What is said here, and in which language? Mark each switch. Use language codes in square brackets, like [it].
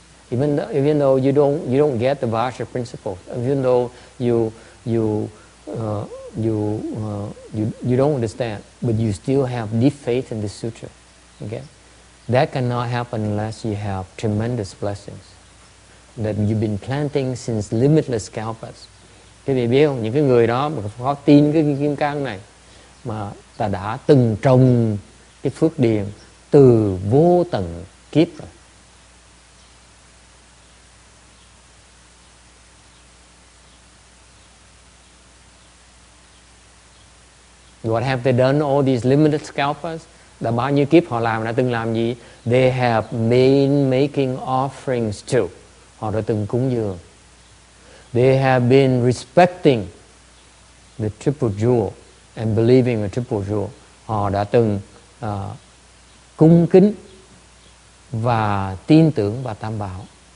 [en] Even though you don't get the Vajra principles, even though you don't understand, but you still have deep faith in the sutra. Okay? That cannot happen unless you have tremendous blessings that you've been planting since limitless kalpas. [vi] Các vị biết không? Những cái người đó mà có tin cái Kim Cang này mà ta đã từng trồng cái phước điền từ vô tận kiếp rồi. [en] What have they done, all these limited scalpers? [vi] Đã bao nhiêu kiếp họ làm, đã từng làm gì? [en] They have been making offerings too. [vi] Họ đã từng cúng dường. [en] They have been respecting the triple jewel and believing the triple jewel. [vi] Họ đã từng cung kính và tin tưởng và tam bảo.